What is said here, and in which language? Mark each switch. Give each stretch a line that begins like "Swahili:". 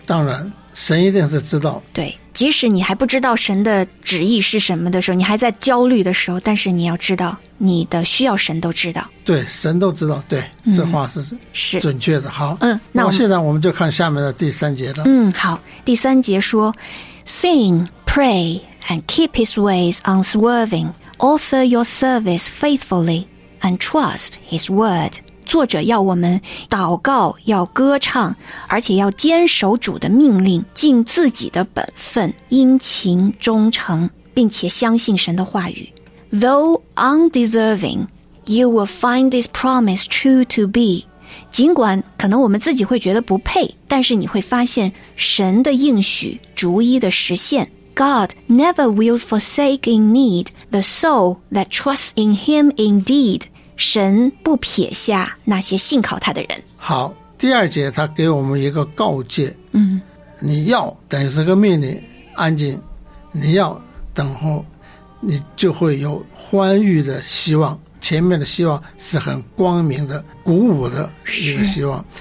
Chinese: 当然神一定是知道。对，即使你还不知道神的旨意是什么的时候，你还在焦虑的时候，但是你要知道你的需要神都知道。对，神都知道。对，这话是准确的、好，嗯，那我现在我们就看下面的第三节了。嗯，好，第三节说
English: Sing, pray and keep his ways unswerving, offer your service faithfully and trust his word.
Chinese: 作者要我们祷告，要歌唱，而且要坚守主的命令，尽自己的本分，殷勤忠诚，并且相信神的话语。
English: Though undeserving, you will find this promise true to be.
Chinese: 尽管可能我们自己会觉得不配，但是你会发现神的应许逐一的实现。
English: God never will forsake in need the soul that trusts in him indeed.
Chinese: 神不撇下那些信靠他的人。好，第二节他给我们一个告诫。嗯，你要等于是个命令，安静，你要等候，你就会有欢愉的希望，前面的希望是很光明的，鼓舞的一个希望。